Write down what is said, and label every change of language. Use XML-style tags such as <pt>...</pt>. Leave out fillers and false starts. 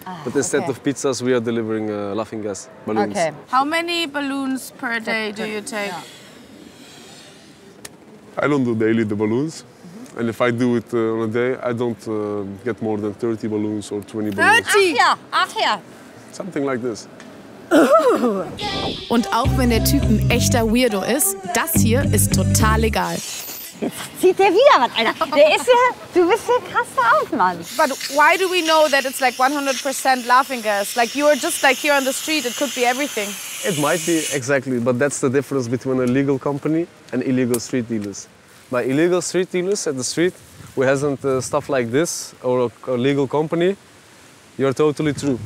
<en>But instead of pizzas, we are delivering laughing gas balloons. Okay. How many balloons per day do you take? Yeah. I don't do daily the balloons. Mm-hmm. And if I do it on a day, I don't get more than 30 balloons or 20 balloons. 30?</en> <de>Ach ja.</de> <en>Something like this.</en> <de>Und auch wenn der Typ ein echter Weirdo ist, das hier ist total legal. Jetzt zieht der wieder was, Alter. Der ist ja, du bist ja krasser auf, Mann.</de> <en>But why do we know that it's like 100% laughing gas? Like you are just like here on the street, it could be everything. It might be, exactly. But that's the difference between a legal company and illegal street dealers. By illegal street dealers at the street, who hasn't stuff like this, or a legal company, you're totally true.</en>